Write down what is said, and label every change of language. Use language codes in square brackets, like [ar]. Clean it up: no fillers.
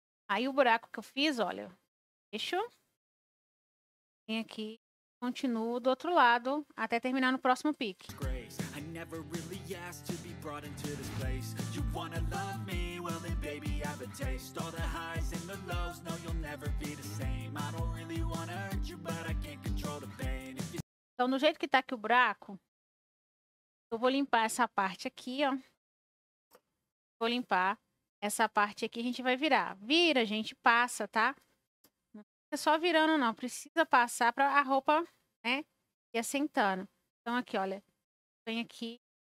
[pt] Aí o buraco que eu fiz, olha, deixa. Vem aqui, continuo do outro lado até terminar no próximo pique. [en] I never really asked to be brought into this place. You wanna love me? Well then baby, have a taste. All the highs and the lows, no, you'll never be the same. I don't really wanna hurt you, but I can't control the pain. [pt] Então, no jeito que tá aqui o buraco, eu vou limpar essa parte aqui, ó. Vou limpar essa parte aqui, a gente vai virar. Vira, gente, passa, tá? Não fica só virando, não. Precisa passar pra a roupa, né, ir assentando. Então, aqui, olha. Vem aqui.